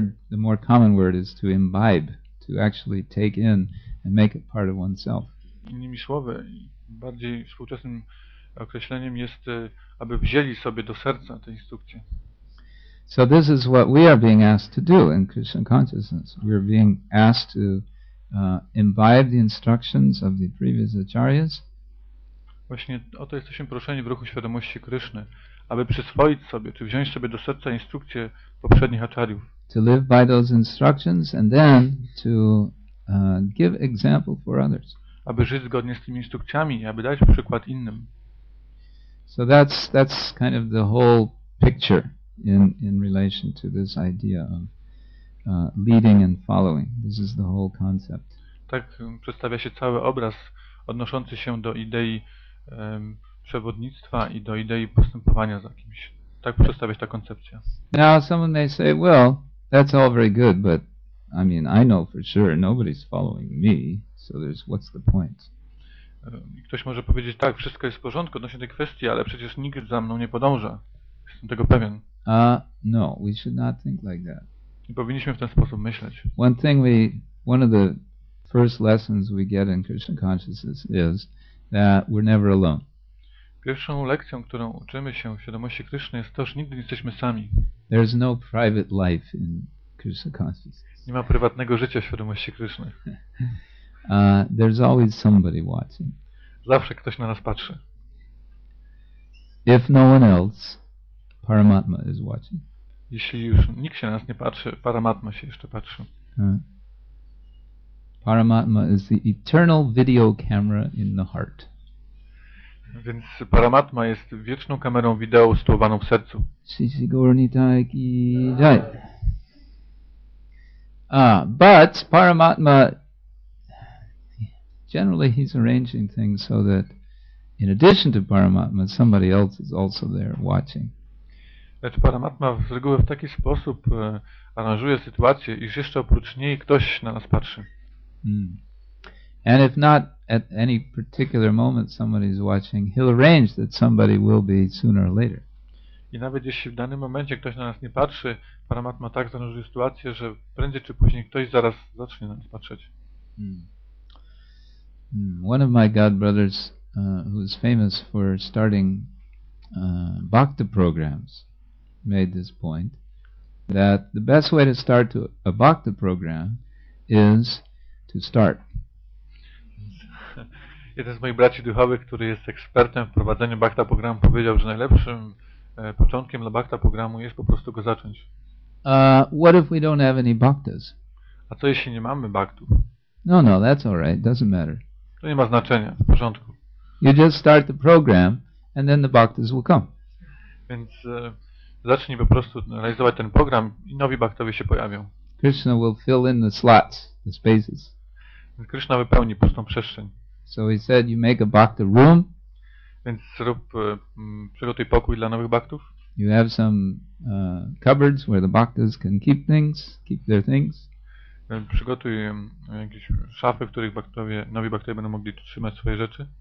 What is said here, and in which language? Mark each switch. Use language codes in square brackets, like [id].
[en] The more common word is to imbibe, to actually take in and make it part of oneself. [pl] Innymi słowy, bardziej współczesnym określeniem jest, aby wzięli sobie do serca te instrukcje. [en] So this is what we are being asked to do in Krishna consciousness. We are being asked to imbibe the instructions of the previous acharyas. [pl] Właśnie o to jesteśmy proszeni w ruchu świadomości Kryszny, aby przyswoić sobie, czy wziąć sobie do serca instrukcje poprzednich acharyów. [en] To live by those instructions and then to give example for others. [pl] Aby żyć zgodnie z tymi instrukcjami i aby dać przykład innym. [en] So that's kind of the whole picture in relation to this idea of leading and following. This is the whole concept. [pl] Tak przedstawia się cały obraz odnoszący się do idei przewodnictwa i do idei postępowania za kimś. Tak przedstawia się ta koncepcja. [en] Now someone may say, well, that's all very good, but I mean, I know for sure nobody's following me, so there's what's the point? [pl] Ktoś może powiedzieć, tak, wszystko jest w porządku odnośnie tej kwestii, ale przecież nikt za mną nie podąża. Jestem tego pewien. [en] No, we should not think like that. [pl] Nie powinniśmy w ten sposób myśleć. [en] One of the first lessons we get in Krishna consciousness is that we're never alone. [pl] Pierwszą lekcją, którą uczymy się w świadomości Kryszny, jest to, że nigdy nie jesteśmy sami. [en] There is no private life in Krishna consciousness. [pl] Nie ma prywatnego życia w świadomości Kryszny. [en] There's always somebody watching. [pl] Zawsze ktoś na nas patrzy. [en] If no one else, Paramatma is watching. [pl] Jeśli już nikt się na nas nie patrzy, Paramatma się jeszcze patrzy. [en] Paramatma is the eternal video camera in the heart. [pl] Więc Paramatma jest wieczną kamerą wideo ustawioną w sercu. [bn] Shri Gauranitai ki jai. [en] But Paramatma, generally he's arranging things so that in addition to Paramatma, somebody else is also there watching. [pl] Lecz Paramatma z reguły w taki sposób aranżuje sytuację, iż jeszcze oprócz niej ktoś na nas patrzy. [en] And if not at any particular moment somebody is watching, he'll arrange that somebody will be sooner or later. [pl] I nawet jeśli w danym momencie ktoś na nas nie patrzy, Paramatma tak zanurzył sytuację, że prędzej czy później ktoś zaraz zacznie na nas patrzeć. [en] One of my god brothers, who is famous for starting bhakti programs, made this point that the best way to start to a bhakti program is to start. [pl] Jeden z moich braci duchowych, który jest ekspertem w prowadzeniu bhakti programu, powiedział, że najlepszym początkiem dla bhakti programu jest po prostu go zacząć. [en] What if we don't have any bhaktas? [pl] A co jeśli nie mamy bhaktów? [en] No, that's all right. Doesn't matter. [pl] To nie ma znaczenia. W porządku. [en] You just start the program, and then the bhaktas will come. [pl] Więc zacznij po prostu realizować ten program i nowi bhaktowie się pojawią. [en] Krishna will fill in the slots, the spaces. [pl] Krishna wypełni pustą przestrzeń. [en] So he said, you make a bhakta room. [pl] Więc zrób, przygotuj pokój dla nowych bhaktów. [en] You have some cupboards where the bhaktas can keep things, keep their things. [pl] Przygotuj jakieś szafy, w których bhaktowie, nowi bhaktowie będą mogli trzymać swoje rzeczy.